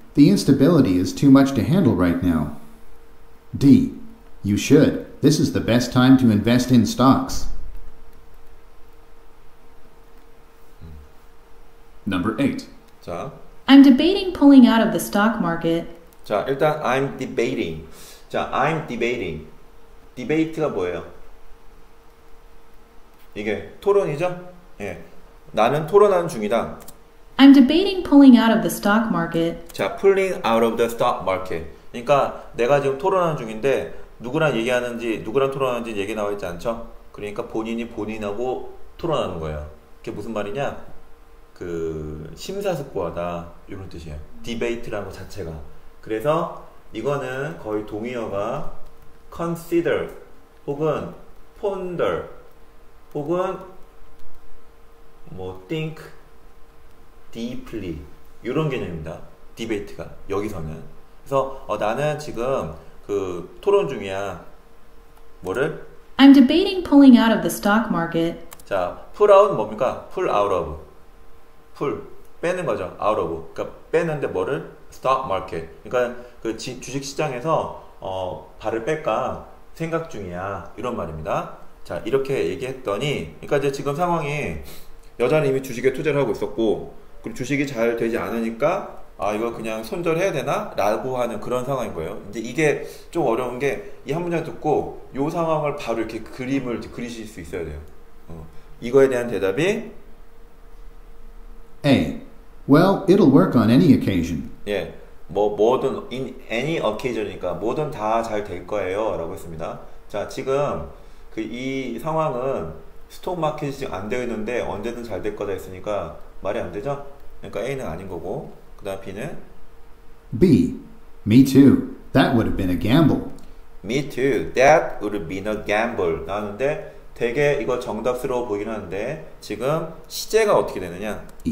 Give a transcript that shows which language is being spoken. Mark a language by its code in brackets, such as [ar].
[en] The instability is too much to handle right now. D. You should. This is the best time to invest in stocks. Number 8. [ko] 자, [en] I'm debating pulling out of the stock market. [ko] 자, 일단 [en] I'm debating. [ko] 자, I'm debating. debate가 뭐예요? 이게 토론이죠? 예. 나는 토론하는 중이다. [en] I'm debating pulling out of the stock market. 자, pulling out of the stock market. [ko] 그러니까 내가 지금 토론하는 중인데 누구랑 얘기하는지, 누구랑 토론하는지 얘기 나와 있지 않죠? 그러니까 본인이 본인하고 토론하는 거예요. 그게 무슨 말이냐? 그 심사숙고하다 이런 뜻이에요. 디베이트라는 것 자체가. 그래서 이거는 거의 동의어가 consider 혹은 ponder 혹은 뭐 [en] think deeply [ko] 이런 개념입니다. 디베이트가 여기서는. 그래서 나는 지금 그 토론 중이야. 뭐를? [en] I'm debating pulling out of the stock market. [ko] 자, [en] pull out [ko] 뭡니까? [en] Pull out of. [ko] 풀 빼는 거죠. [en] out of. [ko] 그러니까 빼는데 뭐를? [en] stock market. [ko] 그러니까 그 주식 시장에서 발을 뺄까 생각 중이야. 이런 말입니다. 자, 이렇게 얘기했더니 그러니까 이제 지금 상황이 여자는 이미 주식에 투자를 하고 있었고 그리고 주식이 잘 되지 않으니까 아, 이거 그냥 손절해야 되나? 라고 하는 그런 상황인 거예요. 이제 이게 좀 어려운 게 이 한 문장 듣고 요 상황을 바로 이렇게 그림을 이렇게 그리실 수 있어야 돼요. 이거에 대한 대답이 [en] A. Well, it'll work on any occasion. [ko] 예, 뭐 뭐든 [en] in any occasion [ko] 이니까 뭐든 다 잘 될 거예요라고 했습니다. 자, 지금 그 이 상황은 스톡 마켓이 지금 안 되어 있는데 언제든 잘 될 거다 했으니까 말이 안 되죠? 그러니까 A는 아닌 거고, 그다음 B는 [en] B. Me too. That would have been a gamble. Me too. That would have been a gamble. [ko] 나왔는데. 되게 이거 정답스러워 보이긴 하는데 지금 시제가 어떻게 되느냐?